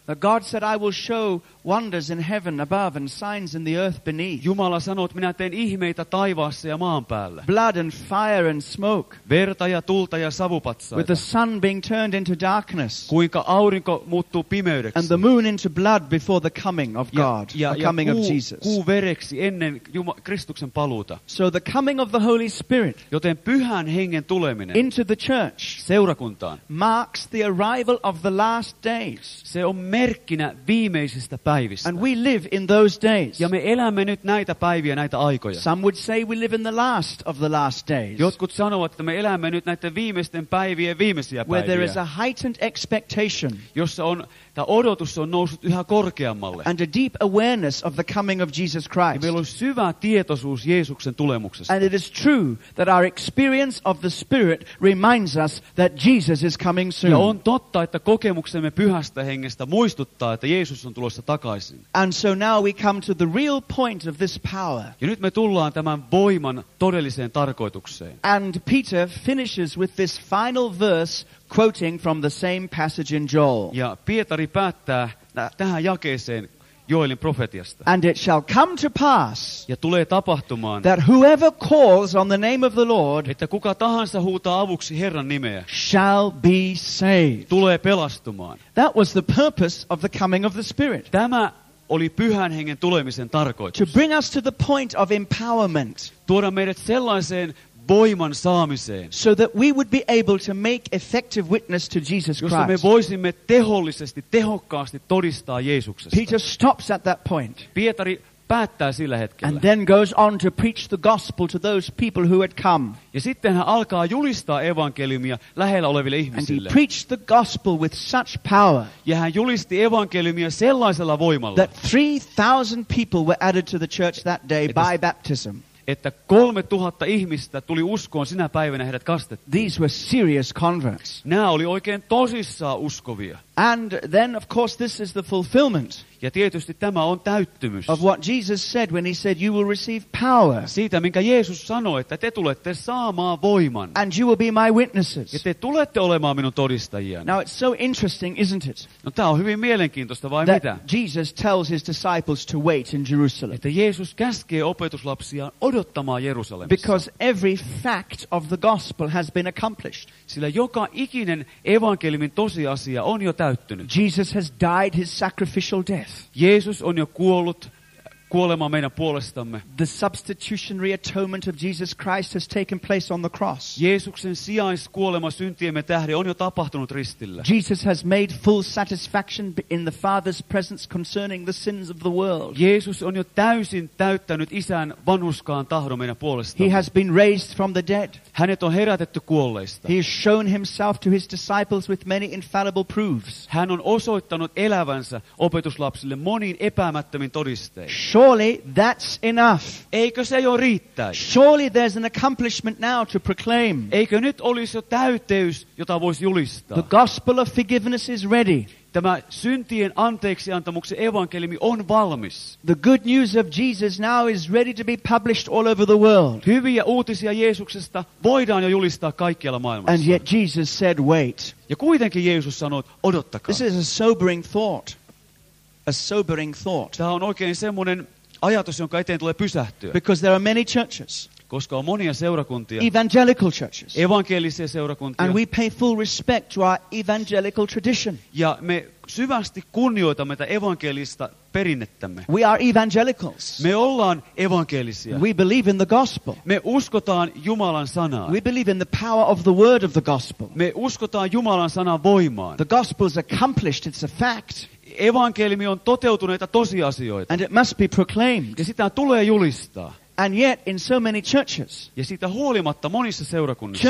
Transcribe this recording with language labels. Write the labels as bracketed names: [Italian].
[English] That God said, I will show wonders in heaven above and signs in the earth beneath. [Finnish] Jumala sanoo, että minä teen ihmeitä taivaassa ja maan päällä. [English] Blood and fire and smoke. [Finnish] Verta ja tulta ja savupatsaita. [English] With the sun being turned into darkness. [Finnish] Kuinka aurinko muuttuu pimeydeksi. [English] And the moon into blood before the coming of God, coming of Jesus. [Finnish] Kuu vereksi ennen Kristuksen paluuta. [English] So the coming of the Holy Spirit. [Finnish] Joten Pyhän Hengen tuleminen. [English] Into the church. [Finnish] Seurakuntaan. [English] Marks the arrival of the last days. [Finnish] Se on merkkinä viimeisistä päivistä. [English] And we live in those days. [Finnish] Ja me elämme nyt näitä päiviä, näitä aikoja. [English] Some would say we live in the last of the last days. [Finnish] Jotkut sanovat, että me elämme nyt näiden viimeisten päivien viimeisiä päiviä. [English] Where there is a heightened expectation. [Finnish] Jossa on, tämä odotus on noussut yhä korkeammalle. [English] And a deep awareness of the coming of Jesus Christ. [Finnish] Ja meillä on syvä tietoisuus Jeesuksen tulemuksesta. [English] And it is true that our experience of the Spirit reminds us that Jesus is coming soon. [Finnish] Ja on totta, että kokemuksemme Pyhästä Hengestä muistuttaa, että Jeesus on tulossa takaisin. [English] And so now we come to the real point of this power. [Finnish] Ja nyt me tullaan tämän voiman todelliseen tarkoitukseen. [English] And Peter finishes with this final verse quoting from the same passage in Joel. [Finnish] Ja Pietari päättää tähän jakeeseen Joelin profetiasta. [English] And it shall come to pass. [Finnish] Ja tulee tapahtumaan. [English] That whoever calls on the name of the Lord. [Finnish] Että kuka tahansa huutaa avuksi Herran nimeä. [English] Shall be saved. [Finnish] Tulee pelastumaan. [English] That was the purpose of the coming of the Spirit. [Finnish] Tämä oli Pyhän Hengen tulemisen tarkoitus. [English] To bring us to the point of empowerment. [Finnish] Tuoda meidät sellaiseen voiman saamiseen. [English] So that we would be able to make effective witness to Jesus Christ. [Finnish] Jossa me voisimme tehollisesti, tehokkaasti todistaa Jeesuksesta. [English] Peter stops at that point. [Finnish] Pietari päättää sillä hetkellä. [English] And then goes on to preach the gospel to those people who had come. [Finnish] Ja sitten hän alkaa julistaa evankeliumia lähellä oleville ihmisille. [English] And he preached the gospel with such power. [Finnish] Ja hän julisti evankeliumia sellaisella voimalla. [English] That 3,000 people were added to the church that day by baptism. [Finnish] Että 3,000 ihmistä tuli uskoon sinä päivänä heidät kastettiin. [English] These were serious converts. [Finnish] Nämä oli oikein tosissaan uskovia. [English] And then of course this is the fulfillment. [Finnish] Ja tietysti tämä on täyttymys. [English] Of what Jesus said when he said you will receive power. [Finnish] Siitä minkä Jeesus sanoi, että te tulette saamaan voiman. [English] And you will be my witnesses. [Finnish] Ja te tulette olemaan minun todistajiani. [English] Now it's so interesting, isn't it? [Finnish] No tämä on hyvin mielenkiintoista, vai [English] that [Finnish] mitä? [English] Jesus tells his disciples to wait in Jerusalem. [Finnish] Että Jeesus käskee opetuslapsiaan odottamaan Jerusalemissa. [English] Because every fact of the gospel has been accomplished. [Finnish] Sillä joka ikinen evankeliumin tosiasia on jo täyttynyt. [English] Jesus has died his sacrificial death. [Finnish] Jeesus on jo kuollut kuolemaan meidän puolestamme. [English] The substitutionary atonement of Jesus Christ has taken place on the cross. [Finnish] Jeesuksen sijaiskuolema syntiemme tähden on jo tapahtunut ristillä. [English] Jesus has made full satisfaction in the Father's presence concerning the sins of the world. [Finnish] Jeesus on jo täysin täyttänyt isän vanhurskaan tahdon meidän puolestamme. [English] He has been raised from the dead. [Finnish] Hänet on herätetty kuolleista. [English] He has shown himself to his disciples with many infallible proofs. [Finnish] Hän on osoittanut elävänsä opetuslapsille monin epäämättömin todistein. [English] Surely that's enough. [Finnish] Eikö se jo riittäisi? [English] Surely there's an accomplishment now to proclaim. [Finnish] Eikö nyt olisi jo täyteys, jota voisi julistaa? [English] The gospel of forgiveness is ready. [Finnish] Tämä syntien anteeksiantamuksen evankeliumi on valmis. [English] The good news of Jesus now is ready to be published all over the world. [Finnish] Hyviä uutisia Jeesuksesta voidaan jo julistaa kaikkialla maailmassa. [English] And yet Jesus said, wait. [Finnish] Ja kuitenkin Jeesus sanoi, odottakaa. [English] This is a sobering thought. A sobering thought. [Finnish] Tämä on oikein semmoinen ajatus, jonka eteen tulee pysähtyä. [English] Because there are many churches. [Finnish] Koska on monia seurakuntia. [English] Evangelical churches. [Finnish] Evankelisia seurakuntia. [English] And we pay full respect to our evangelical tradition. [Finnish] Ja me syvästi kunnioitamme tätä evankelista perinnettämme. [English] We are evangelicals. [Finnish] Me ollaan evankelisia. [English] We believe in the gospel. [Finnish] Me uskotaan Jumalan sanaan. [English] We believe in the power of the word of the gospel. [Finnish] Me uskotaan Jumalan sanan voimaan. [English] The gospel is accomplished, it's a fact. [Finnish] Evankeliumi on toteutuneita tosiasioita. [English] And it must be proclaimed. [Finnish] Ja sitä tulee julistaa. [English] And yet in so many churches. [Finnish] Ja siitä huolimatta monissa seurakunnissa.